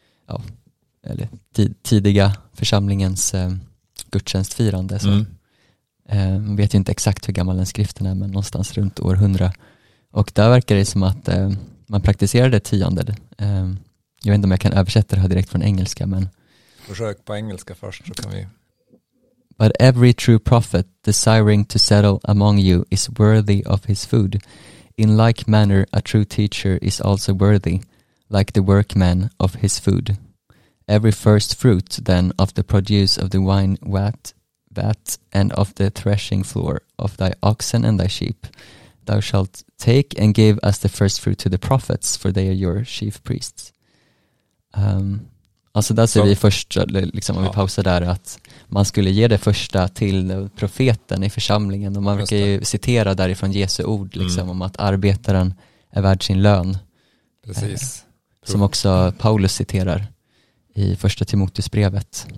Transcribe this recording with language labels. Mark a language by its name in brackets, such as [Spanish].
[Swedish] Ja, eller tidiga församlingens gudstjänstfirande. Så. Man vet ju inte exakt hur gammal den skriften är, men någonstans runt år 100. Och där verkar det som att man praktiserade tionde. Jag vet inte om jag kan översätta det här direkt från engelska. Men försök på engelska först så kan vi... [English] But every true prophet desiring to settle among you is worthy of his food. In like manner a true teacher is also worthy, like the workman of his food. Every first fruit then of the produce of the wine vat and of the threshing floor of thy oxen and thy sheep thou shalt take and give as the first fruit to the prophets for they are your chief priests. [Swedish] Alltså där ser vi först liksom, om vi pausar där, att man skulle ge det första till profeten i församlingen, och man verkar ju citera därifrån Jesu ord liksom, om att arbetaren är värd sin lön. Precis. Som också Paulus citerar i första Timoteusbrevet.